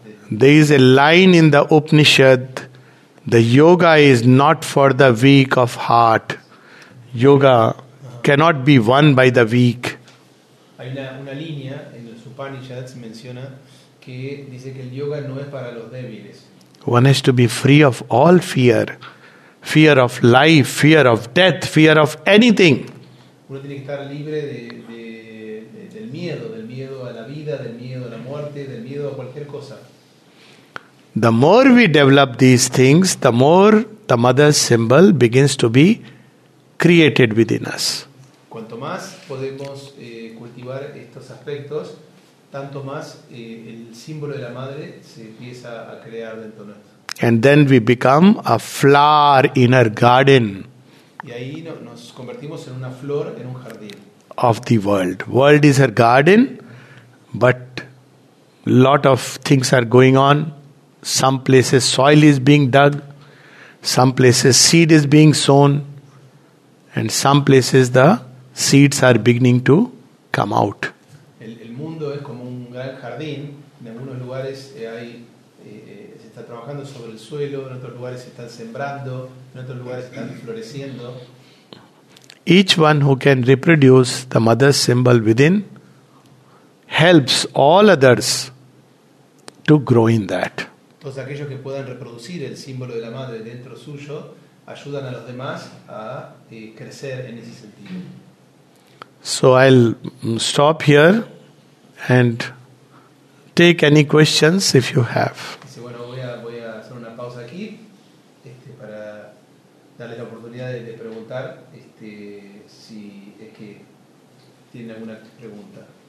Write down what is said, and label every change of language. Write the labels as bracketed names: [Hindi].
[English] There is a line in the Upanishad: the yoga is not for the weak of heart. Yoga cannot be won by the weak. [Spanish] Hay una línea en el Upanishads menciona que dice que el yoga no es para los débiles. [English] One has to be free of all fear. Fear of life, fear of death, fear of anything. [Spanish] Uno tiene que estar libre del miedo a la vida, del miedo a la muerte, del miedo a cualquier cosa. [English] The more we develop these things, the more the mother's symbol begins to be created within us. [Spanish] Cuanto más podemos cultivar estos aspectos, tanto más el símbolo de la madre se empieza a crear dentro de nosotros. [English] And then we become a flower in our garden. [Spanish] Y ahí nos convertimos en una flor en un jardín. [English] Of the world. World is her garden, but lot of things are going on. Some places soil is being dug, some places seed is being sown, and some places the seeds are beginning to come out. [Spanish] El mundo es como un gran jardín. En algunos lugares se está trabajando sobre el suelo, en otros lugares se están sembrando, en otros lugares están floreciendo. [English] Each one who can reproduce the mother's symbol within helps all others to grow in that. [Spanish] Todos aquellos que puedan reproducir el símbolo de la madre dentro suyo ayudan a los demás a crecer en ese sentido. [English] So I'll stop here and take any questions if you have. [Spanish] Sí, bueno, voy a hacer una pausa aquí para darle la oportunidad de preguntar si es que tienen alguna pregunta.